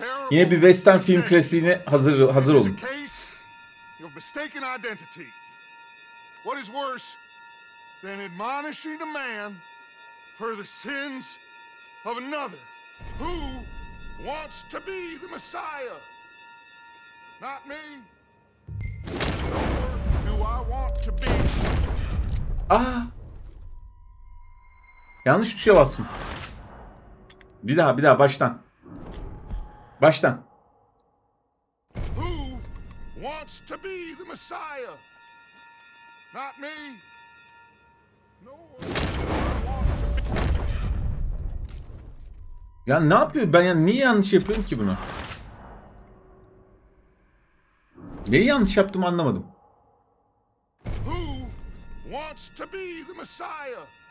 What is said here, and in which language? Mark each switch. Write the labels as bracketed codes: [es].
[tr] Yine bir western film klasiğine hazır olun. [en] You've mistaken identity. What is worse than admonishing a man for the sins of another who wants to be the Messiah? Not me. Do I want to be? Ah. [tr] Yanlış tuşa bastım. Bir daha baştan. Baştan. [en] Who wants to be the Messiah? Not me. No. [tr] Ya ne yapıyor? Ben ya niye yanlış yapıyorum ki bunu? Neyi yanlış yaptım anlamadım. [en] Who wants to be the Messiah?